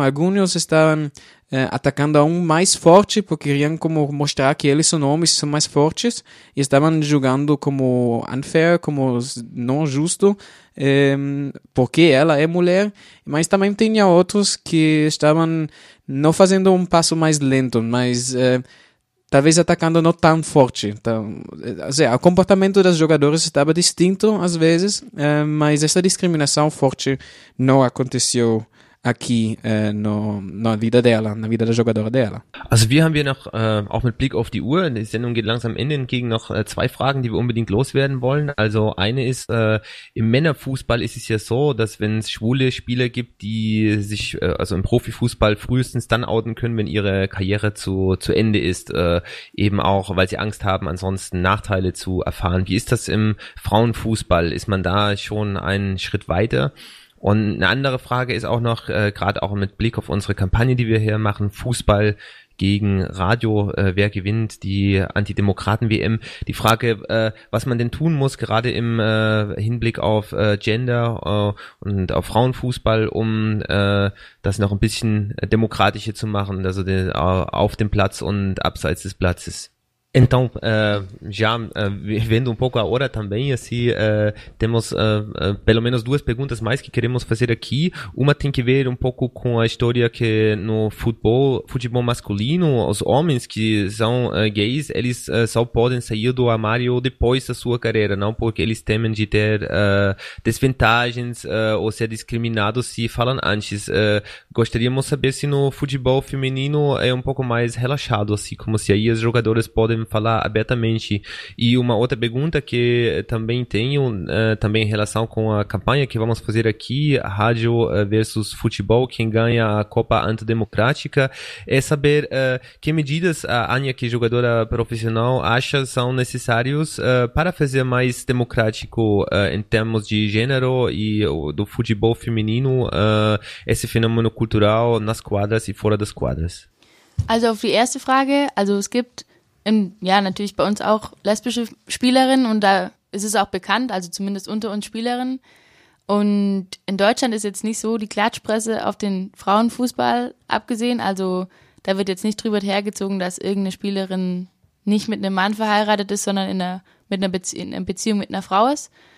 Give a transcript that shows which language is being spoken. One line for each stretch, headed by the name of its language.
Portuguese: Alguns estavam atacando a um mais forte, porque queriam como mostrar que eles são homens e são mais fortes, e estavam jogando como unfair, como não justo, porque ela é mulher, mas também tinha outros que estavam não fazendo um passo mais lento, mas... talvez atacando não tão forte. O comportamento dos jogadores estava distinto às vezes, mas essa discriminação forte não aconteceu aqui no, na vida dela, na vida der Jogadora dela.
German: Also wir haben hier noch, auch mit Blick auf die Uhr, die Sendung geht langsam Ende entgegen, noch zwei Fragen, die wir unbedingt loswerden wollen. Also eine ist, im Männerfußball ist es ja so, dass wenn es schwule Spieler gibt, die sich also im Profifußball frühestens dann outen können, wenn ihre Karriere zu Ende ist, eben auch, weil sie Angst haben, ansonsten Nachteile zu erfahren. Wie ist das im Frauenfußball? Ist man da schon einen Schritt weiter? Und eine andere Frage ist auch noch, gerade auch mit Blick auf unsere Kampagne, die wir hier machen, Fußball gegen Radio, wer gewinnt die Antidemokraten-WM? Die Frage, was man denn tun muss, gerade im Hinblick auf Gender und auf Frauenfußball, um das noch ein bisschen demokratischer zu machen, also auf dem Platz und abseits des Platzes.
Portuguese: Então, já vendo pouco a hora também, assim, temos pelo menos duas perguntas mais que queremos fazer aqui. Uma tem que ver pouco com a história que no futebol masculino, os homens que são gays, eles só podem sair do armário depois da sua carreira, não porque eles temem de ter desvantagens ou ser discriminados se falam antes. Gostaríamos saber se no futebol feminino é pouco mais relaxado, assim, como se aí os jogadores podem falar abertamente. E uma outra pergunta que também tenho, também em relação com a campanha que vamos fazer aqui, rádio versus futebol, quem ganha a Copa Antidemocrática, é saber que medidas a Anya, que jogadora profissional, acha são necessárias para fazer mais democrático em termos de gênero e do futebol feminino, esse fenômeno cultural nas quadras e fora das quadras.
German: Also auf die erste Frage, also es gibt ja, natürlich bei uns auch lesbische Spielerinnen und da ist es auch bekannt, also zumindest unter uns Spielerinnen. Und in Deutschland ist jetzt nicht so die Klatschpresse auf den Frauenfußball abgesehen. Also da wird jetzt nicht drüber hergezogen, dass irgendeine Spielerin nicht mit einem Mann verheiratet ist, sondern in einer Beziehung mit einer Frau ist.